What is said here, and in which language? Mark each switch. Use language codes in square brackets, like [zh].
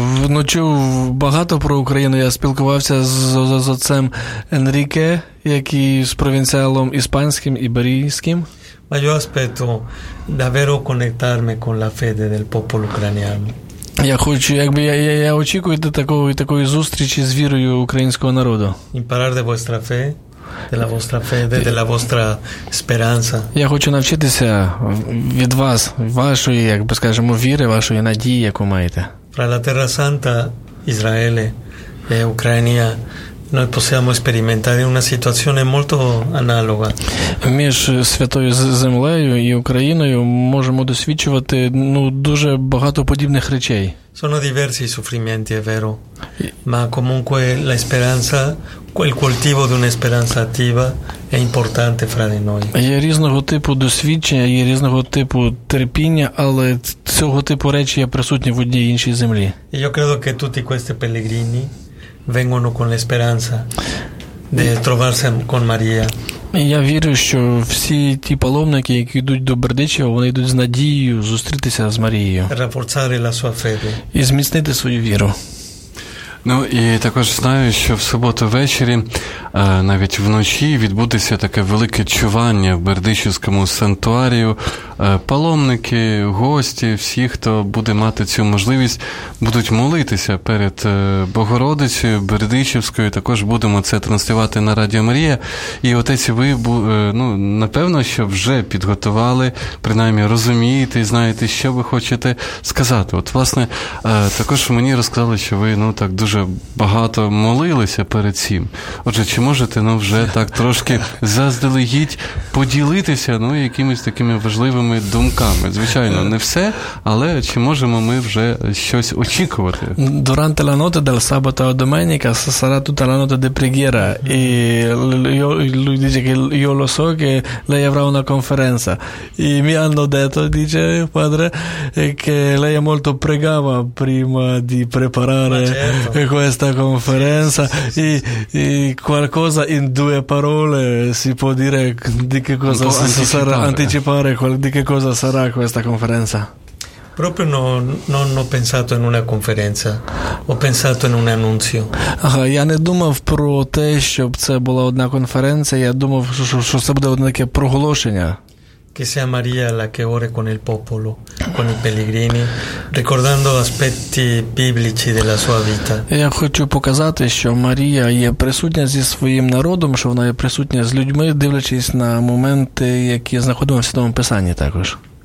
[uk] Я чув багато про Україну, я спілкувався з отцем Енріке, який з провінціалом іспанським, іберійським. [it] Ma io aspetto davvero connettarmi con la fede del popolo ucraniano. [uk] Я хочу, якби я очікую до такої зустрічі з вірою українського народу. [it] Imparare vostra fe. Della vostra fede, della vostra speranza. [uk] Я хочу навчитися від вас, вашої, як би скажемо, віри, вашої надії, яку маєте. [it] Fra la Terra Santa, Israele e Ucraina, noi possiamo sperimentare una situazione molto analoga. [uk] Між святою землею і Україною можемо досвідчувати, ну, дуже багато подібних речей. [it] Sono diversi i soffrimenti, è vero, ma comunque la speranza, quel coltivo di una speranza attiva è importante fra di noi. [uk] Є різного типу досвідчення, є різного типу терпіння, але цього типу речі є присутні в одній іншій землі. [it] Io credo che tutti questi pellegrini vengono con la speranza di trovarsi con Maria. [uk] Я вірю, що всі ті паломники, які йдуть до Бердичева, вони йдуть з надією зустрітися з Марією. [it] Rafforzare la sua fede. [uk] І зміцнити свою віру. Ну, і також знаю, що в суботу ввечері, навіть вночі, відбудеться таке велике чування в Бердичівському санктуарію. Паломники, гості, всі, хто буде мати цю можливість, будуть молитися перед Богородицею Бердичівською. Також будемо це транслювати на Радіо Марія. І отець, ви, ну, напевно, що вже підготували, принаймні розумієте і знаєте, що ви хочете сказати. От, власне, також мені розказали, що ви, ну, так дуже багато молилися перед цим. Отже, чи можете, ну, вже так трошки заздалегідь поділитися, ну, якимись такими важливими думками? Звичайно, не все, але чи можемо ми вже щось очікувати? [it] Durante la notte del sabato domenica sarà tutta la notte di preghiera e lui dice che io lo so che lei avrà una conferenza. E mi hanno detto, dice padre, che lei molto pregava prima di preparare questa conferenza, sì, sì, sì, sì. E qualcosa in due parole si può dire di che cosa anticipare di che cosa sarà questa conferenza? Proprio non ho pensato in una conferenza, ho pensato in un annuncio. [uk] Ага, я не думав про те, щоб це була одна конференція, я думав, що це буде одне таке проголошення. [it] Che sia Maria la che ore con il popolo, con i pellegrini, ricordando aspetti biblici della sua vita. [uk] Я хочу показати, що Марія є присутня зі своїм народом, що вона є присутня з людьми, дивлячись на моменти, які знаходимо в Святому Писанні також.